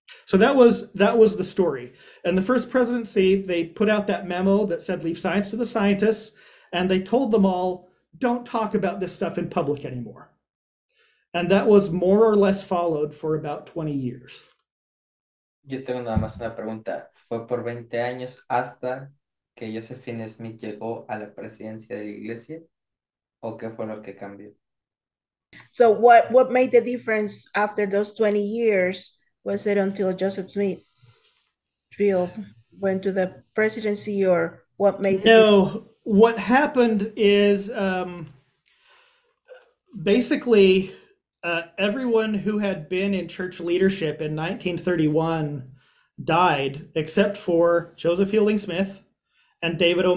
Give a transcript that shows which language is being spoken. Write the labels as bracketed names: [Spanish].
[English] So that was the story. And the first presidency, they put out that memo that said, leave science to the scientists. And they told them all, don't talk about this stuff in public anymore. And that was more or less followed for about 20 years. [Spanish] Yo tengo nada más una pregunta. Fue por 20 años hasta que Josephine Smith llegó a la presidencia de la iglesia. ¿O qué fue lo que cambió? [English] So what made the difference after those 20 years? Was it until Joseph Smith went to the presidency, or what made it? No, what happened is basically everyone who had been in church leadership in 1931 died, except for Joseph Fielding Smith and David O.